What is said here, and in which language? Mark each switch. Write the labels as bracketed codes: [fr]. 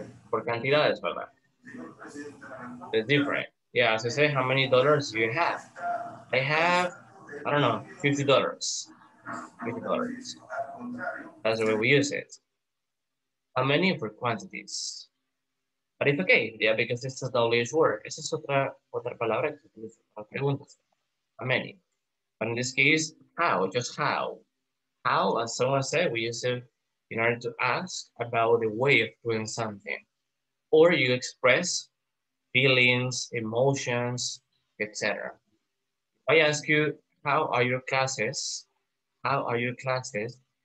[en] For cantidades, ¿verdad? It's different. Yeah, as I say, how many dollars do you have? I have, I don't know, $50. $50. That's the way we use it. How many for quantities? But it's okay, yeah, because this is the WH word. [es] Esa es otra palabra que utiliza para preguntas. [en] How many? But in this case, how, just how. How, as someone said, we use it in order to ask about the way of doing something. Or you express feelings, emotions, etc. If I ask you, how are your classes? How are your classes?